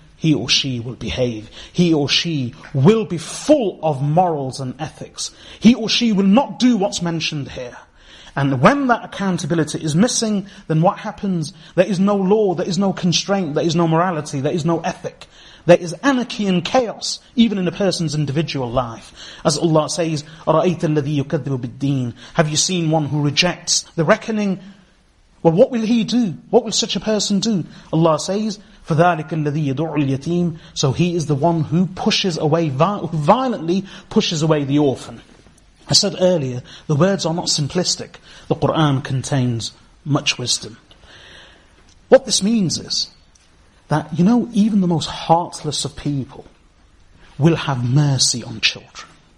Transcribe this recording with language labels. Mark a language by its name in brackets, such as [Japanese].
[English] He or she will behave. He or she will be full of morals and ethics. He or she will not do what's mentioned here. And when that accountability is missing, then what happens? There is no law, there is no constraint, there is no morality, there is no ethic. There is anarchy and chaos, even in a person's individual life. As Allah says, [Arabic] أَرَأَيْتَ الَّذِي يُكَذِّبُ بِالدِّينِ. [English] Have you seen one who rejects the reckoning? Well, what will he do? What will such a person do? Allah says, [Arabic] فَذَٰلِكَ الَّذِي يَدُعُ الْيَتِيمِ. [English] So he is the one who pushes away, violently pushes away the orphan. I said earlier, the words are not simplistic. The Qur'an contains much wisdom. What this means is, that, you know, even the most heartless of people will have mercy on children.